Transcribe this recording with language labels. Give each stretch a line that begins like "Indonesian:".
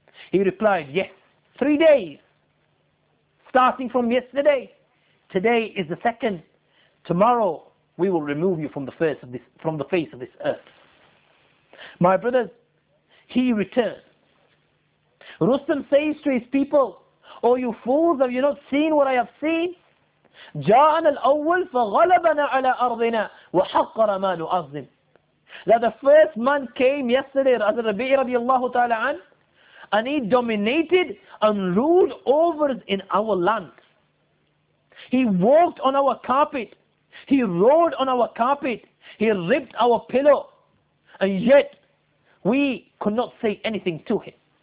English: He replied, yes, 3 days. Starting from yesterday, today is the second. Tomorrow, we will remove you from the face of this earth. My brothers, he returned. Rustam says to his people, O you fools, have you not seen what I have seen?
Arabic: جاءنا الأول فغلبنا على أرضنا وحقر ما نؤظم.
English: That the first man came yesterday, as Rabi'i radiallahu ta'ala an, and he dominated and ruled over us in our land. He walked on our carpet. He rode on our carpet. He ripped our pillow. And yet, we could not say anything to him.